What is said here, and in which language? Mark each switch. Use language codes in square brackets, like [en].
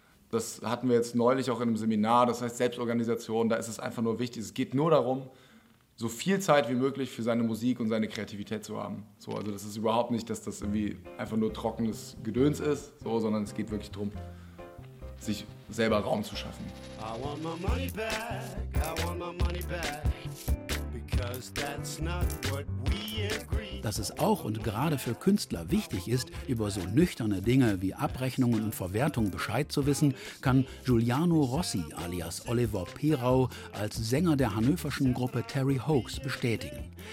[de] Das hatten wir jetzt neulich auch in einem Seminar, das heißt Selbstorganisation, da ist es einfach nur wichtig. Es geht nur darum, so viel Zeit wie möglich für seine Musik und seine Kreativität zu haben. So, also das ist überhaupt nicht, dass das irgendwie einfach nur trockenes Gedöns ist, so, sondern es geht wirklich darum, sich selber Raum zu schaffen. [en] I want my money back, I want my money back. [de] Dass es auch und gerade für Künstler wichtig ist, über so nüchterne Dinge wie Abrechnungen und Verwertung Bescheid zu wissen, kann Giuliano Rossi alias Oliver Perau als Sänger der hannöverschen Gruppe Terry Hoax bestätigen.